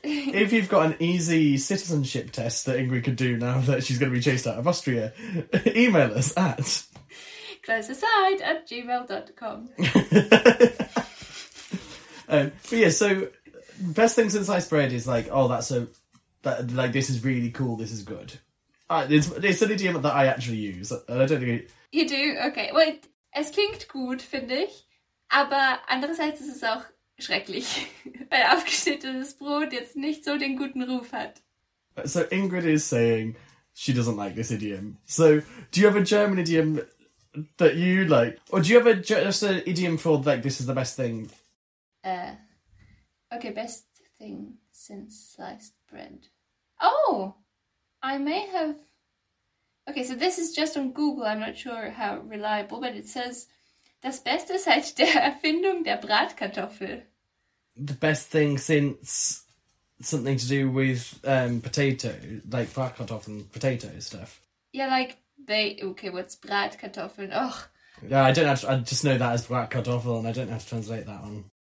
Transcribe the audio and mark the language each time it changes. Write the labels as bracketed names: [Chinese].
[English] If you've got an easy citizenship test that Ingrid could do now that she's going to be chased out of Austria, email us at... closeaside@gmail.com. So best thing since sliced bread is like, this is really cool, this is good. It's an idiom that I actually use. I don't think you do? Okay. [German] Well, es klingt gut, finde ich, aber andererseits ist es auch schrecklich, weil aufgeschnittenes Brot jetzt nicht so den guten Ruf hat. [English] So Ingrid is saying she doesn't like this idiom. So do you have a German idiom that you like? Or do you have just an idiom for like, this is the best thing? Okay, best thing since sliced bread. Oh, I may have... okay, so this is just on Google. I'm not sure how reliable, but it says, [German] das Beste seit der Erfindung der Bratkartoffel. [English] The best thing since something to do with potato, like Bratkartoffeln and potato stuff. Yeah, like, what's Bratkartoffeln? Oh. Yeah, I don't have to... I just know that as Bratkartoffel, and I don't have to translate that one.